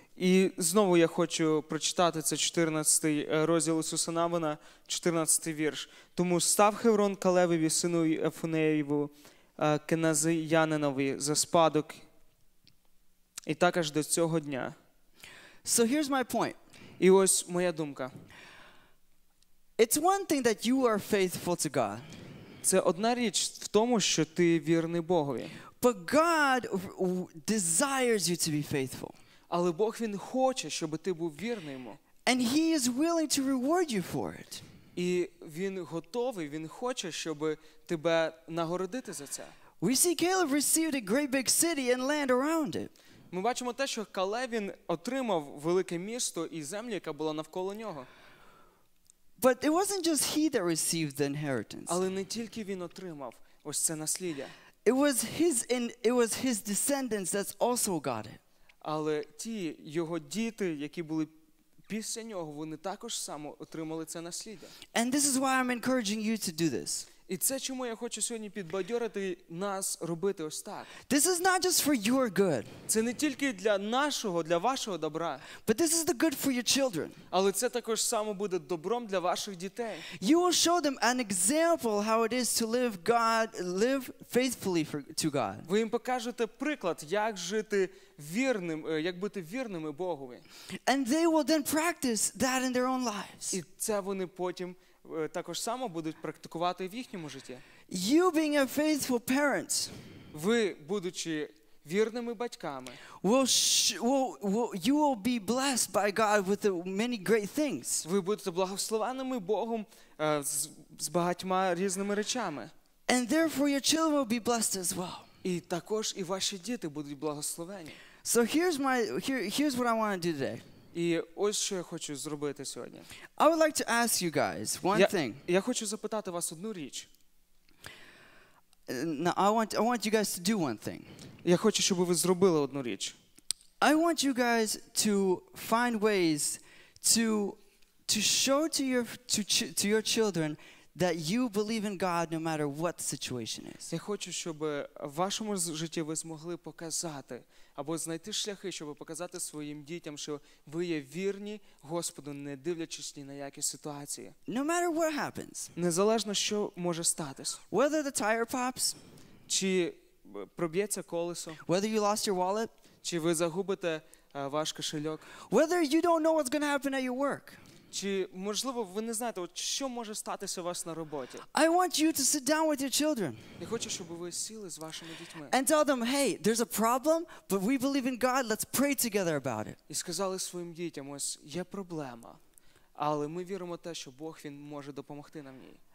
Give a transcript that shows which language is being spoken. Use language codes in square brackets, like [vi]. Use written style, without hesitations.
[uk] І знову я хочу прочитати це 14-й розділ Ісуса Навина, 14-й вірш. Тому став Хеврон Калевові сину Єфунеєву Кеназіянинові за спадок і так аж до цього дня. [en] So here's my point. [uk] І ось моя думка. [en] It's one thing that you are faithful to God. [uk] Це одна річ в тому, що ти вірний Богові. [en] But God desires you to be faithful. [uk] Але Бог він хоче, щоб ти був вірний йому. [en] And he is willing to reward you for it. [uk] І він готовий, він хоче, щоб тебе нагородити за це. [en] We see Caleb received a great big city and land around it. [uk] Ми бачимо те, що Калев він отримав велике місто і землю, яка була навколо нього. [en] But it wasn't just he that received the inheritance. [uk] Але не тільки він отримав ось це наслідя. [en] It was his descendants that also got it. [uk] Але ті його діти, які були після нього, вони також само отримали це наслідя. [en] And this is why I'm encouraging you to do this. [uk] І це чому я хочу сьогодні підбадьорити нас робити ось так. [en] This is not just for your good. [uk] Це не тільки для нашого, для вашого добра. [en] But this is the good for your children. [uk] Але це також само буде добром для ваших дітей. [en] You will show them an example how it is to live faithfully to God. [uk] Ви їм покажете приклад, як жити вірним, як бути вірними Богові. [en] And they will then practice that in their own lives. [uk] І це вони потім також само будуть практикувати в їхньому житті. [en] You being a faithful parent, [uk] ви, будучи вірними батьками, [en] you will be blessed by God with many great things. [uk] Ви будете благословеними Богом з багатьма різними речами. [en] And therefore your children will be blessed as well. [uk] І також і ваші діти будуть благословені. [en] So here's what I want to do today. [uk] І ось що я хочу зробити сьогодні. [en] I would like to ask you guys one thing. [uk] Я хочу запитати вас одну річ. [en] Now, I want you guys to do one thing. [uk] Я хочу, щоб ви зробили одну річ. [en] I want you guys to find ways to show to your children that you believe in God no matter what the situation is. [uk] Я хочу, щоб в вашому житті ви змогли показати або знайти шляхи, щоб показати своїм дітям, що ви є вірні Господу, не дивлячись ні на які ситуації. [en] No matter what happens. [uk] Незалежно, що може статись. [en] Whether the tire pops. [uk] Чи проб'ється колесо. [en] Whether you lost your wallet. [uk] Чи ви загубите ваш кошельок. [en] Whether you don't know what's going to happen at your work. [uk] Чи, можливо, ви не знаєте, от що може статися у вас на роботі? [en] I want you to sit down with your children. [uk] Я хочу, щоб ви сіли з вашими дітьми. [en] And tell them, hey, there's a problem, but we believe in God, let's pray together about it. [uk] І сказали своїм дітям, ось, є проблема, але ми віримо те, що Бог, він може допомогти нам їй.